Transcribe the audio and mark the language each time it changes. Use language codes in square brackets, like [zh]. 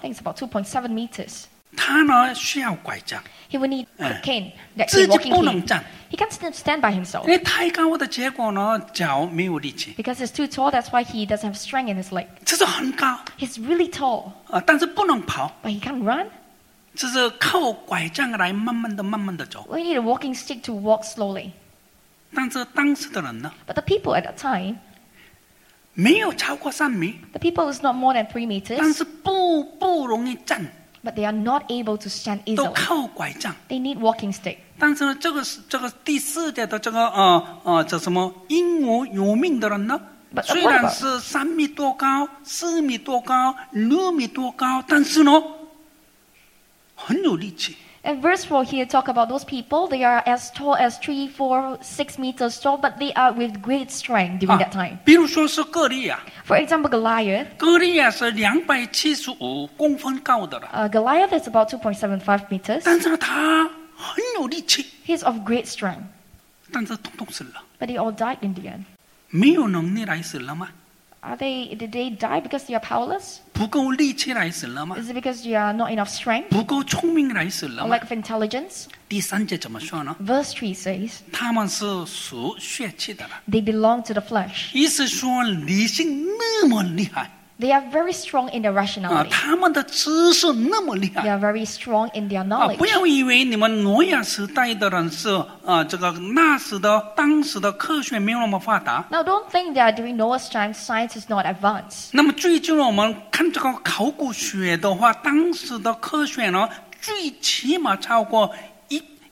[en] I think it's about 2.7 meters. [zh] 他呢需要拐杖 [en] He will need a cane, that cane, walking cane. [zh] 自己不能站 [en] He can't stand by himself. [zh] 因为太高的结果呢脚没有力气 [en] Because it's too tall, that's why he doesn't have strength in his leg. [zh] 这是很高 [en] He's really tall. [zh] 但是不能跑 [en] But he can't run. [zh] 就是靠拐杖来慢慢的慢慢的走 [en] We need a walking stick to walk slowly [zh] 但是当时的人呢 [en] But the people at that time [zh] 没有超过三米 [en] The people is not more than 3 meters [zh] 但是不容易站 [en] But they are not able to stand easily [zh] 都靠拐杖 [en] They need walking stick [zh] 但是呢这个第四节的这个叫什么英武有命的人呢虽然是三米多高四米多高六米多高但是呢很有力气 [en] And verse 4 here talk about those people they are as tall as 3, 4, 6 meters tall but they are with great strength during that time [zh] 比如说是哥利亚 [en] For example, Goliath [zh] Goliath 是275公分高的了 [en] Goliath is about 2.75 meters [zh] 但是他很有力气 [en] He's of great strength [zh] 但是统统死了 [en] But they all died in the end [zh] 没有能力来死了吗 [en] Did they die because they are powerless? [zh] 不够力气来死了吗 [en] Is it because you are not enough strength? [zh] 不够聪明来死了吗 [en] Or lack of intelligence? [zh] 第三节怎么说呢 [en] Verse 3 says, [zh] 他们是属血气的了 [en] They belong to the flesh. [zh] 意思说理性那么厉害 [en] They are very strong in their rationality. [zh] 他们的知识那么厉害 [en] They are very strong in their knowledge. [zh] 不要以为你们挪亚时代的人是这个那时的当时的科学没有那么发达 [en] Now don't think that during Noah's time science is not advanced [zh] 那么最近我们看这个考古学的话当时的科学呢最起码超过一